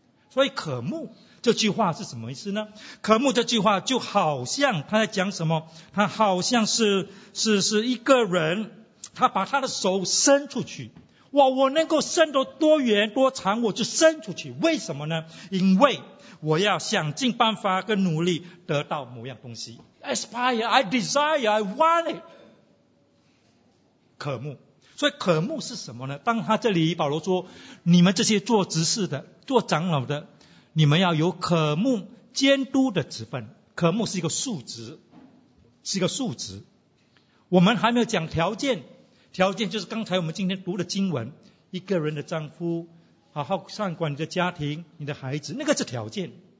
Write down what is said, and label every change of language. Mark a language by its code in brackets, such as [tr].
[zh] 所以渴慕这句话是什么意思呢？渴慕这句话就好像他在讲什么，他好像是一个人，他把他的手伸出去，哇，我能够伸得多远多长我就伸出去，为什么呢？因为我要想尽办法跟努力得到某样东西。 [en] Aspire, I desire, I want it. [zh] 渴慕。所以渴慕是什么呢？当他这里保罗说，你们这些做执事的、做长老的，你们要有渴慕监督的职分。渴慕是一个数值，是一个数值。我们还没有讲条件，条件就是刚才我们今天读的经文，一个人的丈夫，好好善管你的家庭、你的孩子，那个是条件。